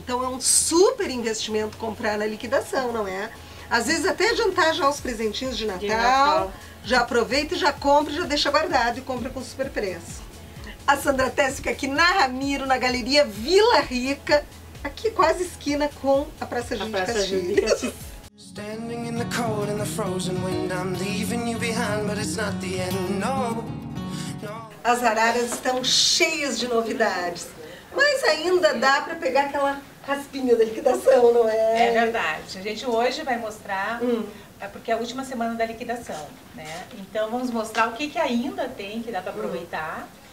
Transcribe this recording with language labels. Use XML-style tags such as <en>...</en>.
<pt>Então é um super investimento comprar na liquidação, não é? Às vezes até adiantar já os presentinhos de Natal. Já aproveita e já compra, já deixa guardado e compra com super preço. A Sandra Tese fica aqui na Ramiro, na Galeria Vila Rica, aqui quase esquina com a Praça Júlio de Castilhos.</pt> <en>Standing in the cold and the frozen wind, I'm leaving you behind, but it's not the end, no.</en> <pt>As araras estão cheias de novidades, mas ainda dá para pegar aquela raspinha da liquidação, não é? É verdade. A gente hoje vai mostrar... É porque é a última semana da liquidação, né? Então vamos mostrar o que, que ainda tem que dá para aproveitar.</pt>